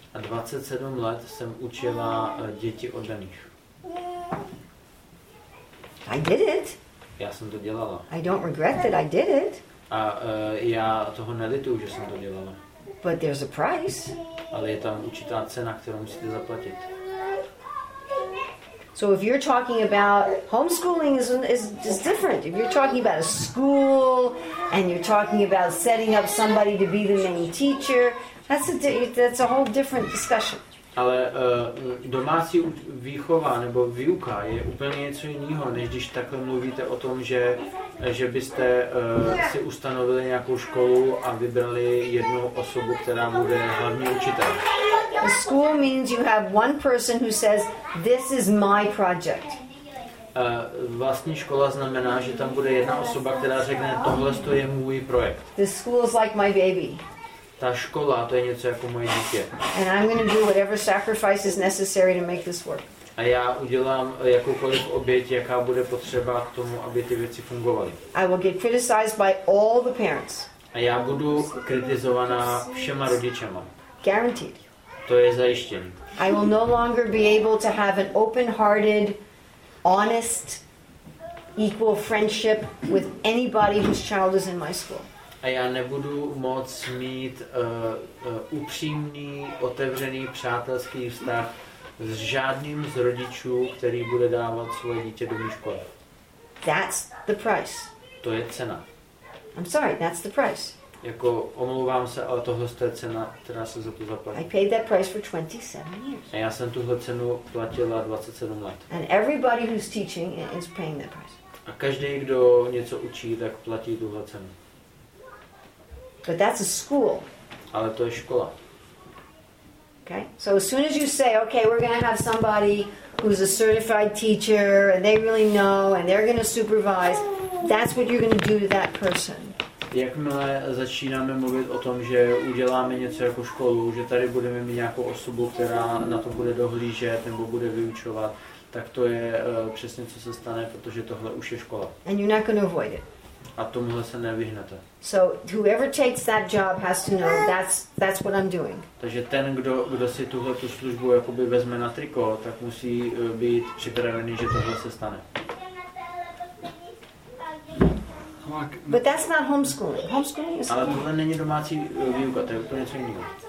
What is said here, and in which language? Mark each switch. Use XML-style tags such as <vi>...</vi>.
<cs>A 27 let jsem učila děti oddaných.</cs> <en>I did it.</en> <cs>Já jsem to dělala.</cs> <en>I don't regret that I did it.</en> <cs>A já toho nelituju, že jsem to dělala.</cs> <en>But there's a price.</en> <cs>Ale je tam určitá cena, kterou musíte zaplatit.</cs> <en>So if you're talking about homeschooling is different. If you're talking about a school and you're talking about setting up somebody to be the main teacher, that's a whole different discussion.</en> <cs>Ale domácí výchova nebo výuka je úplně něco jiného, než když takhle mluvíte o tom, že byste si ustanovili nějakou školu a vybrali jednu osobu, která bude hlavní učitel.</cs> <en>A school means you have one person who says, this is my project.</en> <cs>Vlastní škola znamená, že tam bude jedna osoba, která řekne, tohle to je můj projekt.</cs> <en>The school is like my baby.</en> <cs>Ta škola, to je něco jako moje dítě.</cs> <en>And I'm going to do whatever sacrifice is necessary to make this work.</en> <cs>A já udělám jakoukoliv oběť, jaká bude potřeba k tomu, aby ty věci fungovaly.</cs> <en>I will get criticized by all the parents.</en> <cs>A já budu kritizovaná všema rodičema.</cs> <en>Guaranteed.</en> <cs>To je zajištěný.</cs> <en>I will no longer be able to have an open-hearted, honest, equal friendship with anybody whose child is in my school.</en> <cs>A já nebudu moc mít upřímný, otevřený, přátelský vztah s žádným z rodičů, který bude dávat svoje dítě do mé školy.</cs> <en>That's the price.</en> <cs>To je cena.</cs> <en>I'm sorry, that's the price.</en> <cs>Jako omlouvám se, ale tohle je cena, která se za to zaplatí.</cs> <en>I paid that price for 27 years.</en> <cs>A já jsem tuhle cenu platila 27 let.</cs> <en>And everybody who's teaching is paying that price.</en> <cs>A každý, kdo něco učí, tak platí tuhle cenu.</cs> <en>But that's a school.</en> <cs>Ale to je škola.</cs> <en>Okay? So as soon as you say, okay, we're going to have somebody who's a certified teacher and they really know and they're going to supervise, that's what you're going to do to that person.</en> <cs>Jakmile začínáme mluvit o tom, že uděláme něco jako školu, že tady budeme mít nějakou osobu, která na to bude dohlížet nebo bude vyučovat, tak to je přesně, co se stane, protože tohle už je škola.</cs> <en>And you're not going to avoid it.</en> <cs>A tomuhle se nevyhnete.</cs> <en>So whoever takes that job has to know that's what I'm doing.</en> <cs>Takže ten, kdo si tuhle tu službu jakoby vezme na triko, tak musí být připravený, že tohle se stane.</cs> <en>But that's not homeschooling. Homeschooling is.</en> <cs>Ale tohle není domácí výuka, to je úplně něco jiného.</cs>